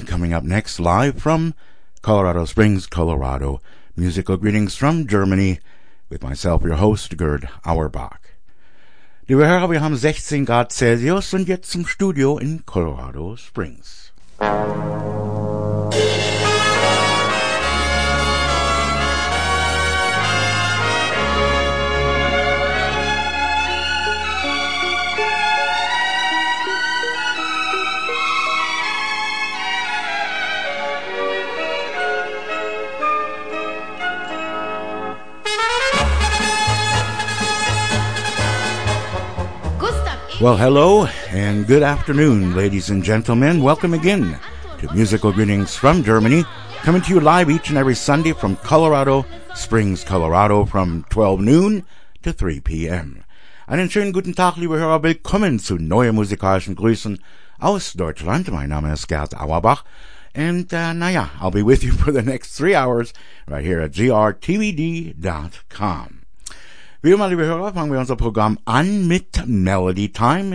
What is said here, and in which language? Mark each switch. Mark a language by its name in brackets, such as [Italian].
[English] Coming up next, live from Colorado Springs, Colorado, musical greetings from Germany with myself, your host, Gerd Auerbach. [German] Liebe Hörer, wir haben 16 Grad Celsius und jetzt zum Studio in Colorado Springs. [English] Well, hello and good afternoon, ladies and gentlemen. Welcome again to Musical Greetings from Germany, coming to you live each and every Sunday from Colorado Springs, Colorado, from 12 noon to 3 p.m. [German] Einen schönen guten Tag, liebe Hörer. Willkommen zu neuen musikalischen Grüßen aus Deutschland. Mein Name ist Gerd Auerbach. [English] And, I'll be with you for the next 3 hours right here at grtvd.com. [German] Wie immer, liebe Hörer, fangen wir unser Programm an mit Melody Time.